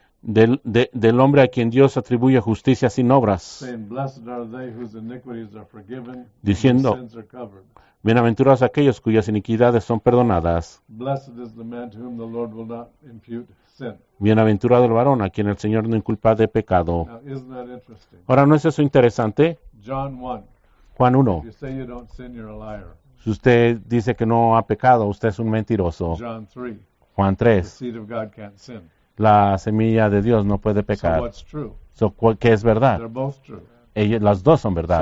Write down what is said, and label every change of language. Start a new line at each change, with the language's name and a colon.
Spanish: Del hombre a quien Dios atribuye justicia sin obras.
English: Saying, blessed are they whose iniquities are forgiven,
Spanish: diciendo,
English: whose sins are covered.
Spanish: Bienaventurados aquellos cuyas iniquidades son perdonadas.
English: Blessed is the man to whom the Lord will not impute sin.
Spanish: Bienaventurado el varón a quien el Señor no inculpa de pecado.
English: Now, isn't that interesting?
Spanish: Ahora, ¿no es eso interesante?
English: John 1.
Spanish: Juan 1.
English: If you say you don't sin, you're a liar.
Spanish: Si usted dice que no ha pecado, usted es un mentiroso.
English: John 3.
Spanish: Juan 3.
English: The seed of God can't sin.
Spanish: La semilla de Dios no puede pecar.
English: So what's true?
Spanish: So, ¿qué es verdad?
English: They're both true.
Spanish: Ellos, las dos son verdad.